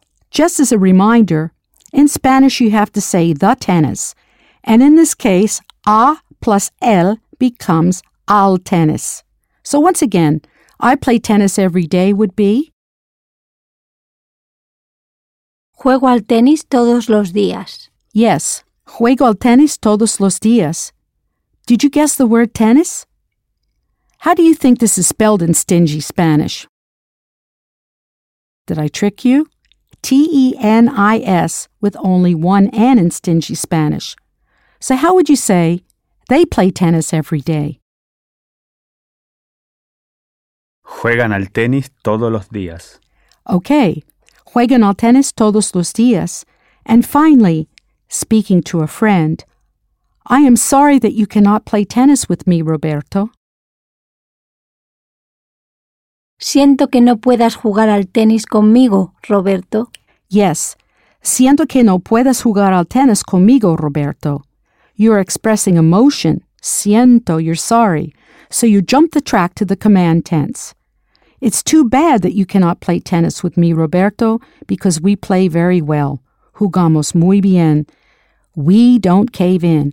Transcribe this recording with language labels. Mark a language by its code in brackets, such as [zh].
[en] Just as a reminder, in Spanish you have to say the tennis, and in this case, a plus el becomes al tennis. So once again, I play tennis every day would be? [es] Juego al tenis todos los días. [en] Yes, [es] juego al tenis todos los días. [en] Did you guess the word tennis? How do you think this is spelled in stingy Spanish? Did I trick you? T-E-N-I-S, with only one N in stingy Spanish. So how would you say, they play tennis every day? [es] Juegan al tenis todos los días. [en] Okay, [es] juegan al tenis todos los días. [en] And finally, speaking to a friend, I am sorry that you cannot play tennis with me, Roberto. [es] Siento que no puedas jugar al tenis conmigo, Roberto. [en] Yes, [es] siento que no puedas jugar al tenis conmigo, Roberto. [en] You're expressing emotion. Siento, you're sorry. So you jump the track to the command tense. It's too bad that you cannot play tennis with me, Roberto, because we play very well. [es] Jugamos muy bien. [en] We don't cave in.